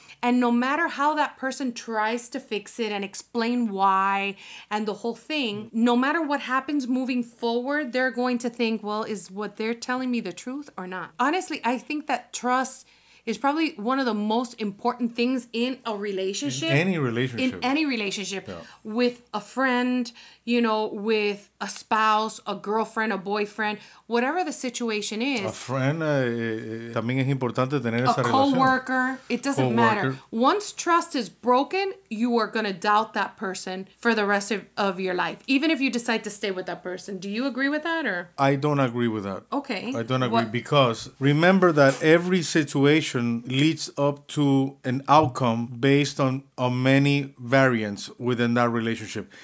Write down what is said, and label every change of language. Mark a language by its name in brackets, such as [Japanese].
[English] And no matter how that person tries to fix it and explain why and the whole thing, no matter what happens moving forward, they're going to think, well, is what they're telling me the truth or not? Honestly, I think that trust is probably one of the most important things in a relationship. In any relationship. In any relationship. Yeah. With a friend, you know, with a spouse, a girlfriend, a boyfriend, whatever the situation is. A friend, [Spanish] también es importante tener esa relación. [English] A co-worker, it doesn't matter. Once trust is broken, you are going to doubt that person for the rest of your life, even if you decide to stay with that person. Do you agree with that? Or I don't agree with that. Okay. I don't agree because remember that every situation leads up to an outcome based on many variants within that relationship.